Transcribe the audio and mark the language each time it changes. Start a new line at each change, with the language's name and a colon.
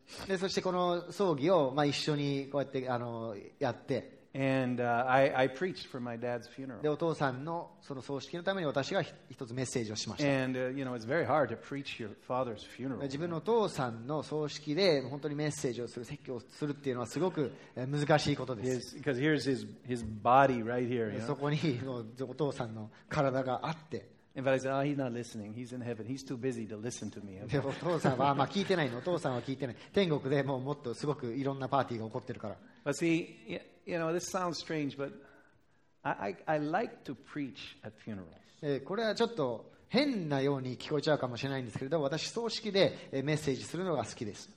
Japanese: で、そしてこの葬儀を一緒にこうやってやって。
English: And I preached for my dad's funeral.
Japanese: で、お父さんのその葬式のために私が一つメッセージをしました。
English: And you know, it's very hard to preach your father's funeral.
Japanese: 自分のお父さんの葬式で本当にメッセージをする、説教をするっていうのはすごく難しいことです。
English: Because here's his body right here.
Japanese: そこにお父さんの体があって。
English: And but I said, oh, he's not listening. He's in heaven. He's too busy to listen to me.
Japanese: でお父さんは聞いてないの。お父さんは聞いてない。天国でもうもっとすごくいろんなパーティーが起こってるから。
English: But see, you know, this sounds strange, but I like to preach at funerals.
Japanese: これはちょっと変なように聞こえちゃうかもしれないんですけれど、私葬式でメッセージするのが好きです。